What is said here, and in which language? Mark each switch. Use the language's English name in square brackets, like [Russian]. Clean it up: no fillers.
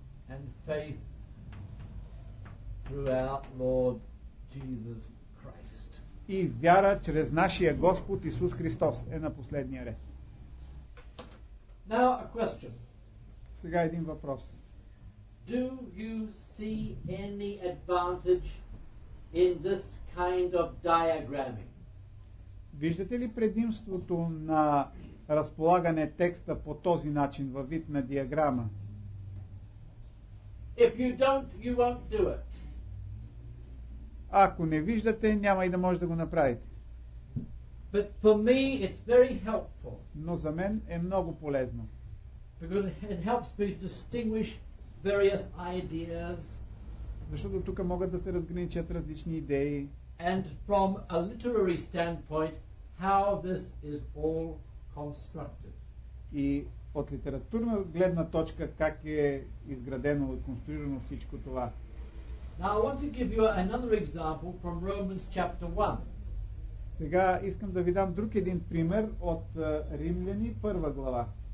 [English] And faith throughout Lord Jesus Christ. [Bulgarian] И вяра чрез нашия Господ Исус Христос е на последния ред. [English] Now a question. [Bulgarian] Сега един въпрос. [English] Do you see any advantage in this kind of diagramming? [Bulgarian] Виждате ли предимството на разполагане текста по този начин във вид на диаграма? [English] If you don't, you won't do it. [Bulgarian] Ако не виждате, няма и да може да го направите. [English] But for me it's very helpful. [Bulgarian] Но за мен е много полезно. [English] Because it helps me distinguish various ideas. [Bulgarian] Защото тук могат да се разграничат различни идеи. [English] And from a literary standpoint, how this is all constructed. [Bulgarian] И от литературна гледна точка как е изградено и конструирано всичко това. [English] Now I want to give you another example from Romans chapter 1. [Bulgarian] Сега искам да ви дам друг един пример от Римляни, първа глава.